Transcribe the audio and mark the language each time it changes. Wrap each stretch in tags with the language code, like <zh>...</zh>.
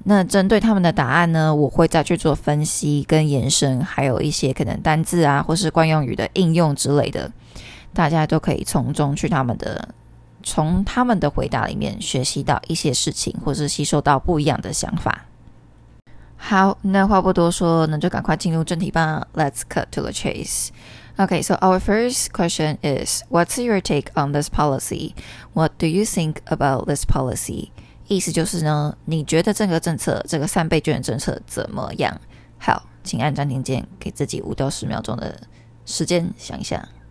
<zh>那针对他们的答案呢，我会再去做分析跟延伸，还有一些可能单字啊或是惯用语的应用之类的，大家都可以从中去从他们的回答里面学习到一些事情，或是吸收到不一样的想法。好，那话不多说，那就赶快进入正题吧。</zh> <en>Let's cut to the chase. Okay, so our first question is, what's your take on this policy? What do you think about this policy?</en> <zh>意思就是呢，你觉得这个政策，这个三倍券政策怎么样？好，请按暂停键，给自己5到10秒钟的时间想一下。</zh>